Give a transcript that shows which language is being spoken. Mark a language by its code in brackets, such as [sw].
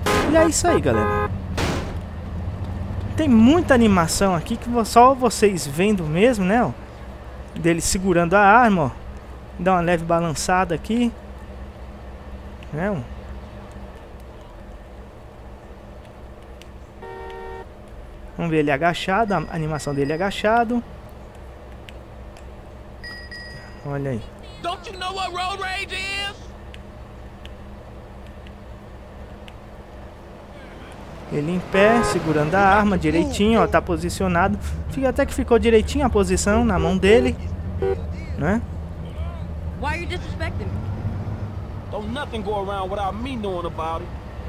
[pt] E é isso aí, galera. Tem muita animação aqui que só vocês vendo mesmo, né? Ó, dele segurando a arma, ó, dá uma leve balançada aqui, né? Ó. Vamos ver ele agachado, a animação dele agachado. Olha aí. [en] Don't you know what road rage is? [pt] Ele em pé, segurando a arma direitinho, ó, tá posicionado. Fica até que ficou direitinho a posição na mão dele, né? [en] Why are you disrespecting me? Don't nothing go around without me knowing about it.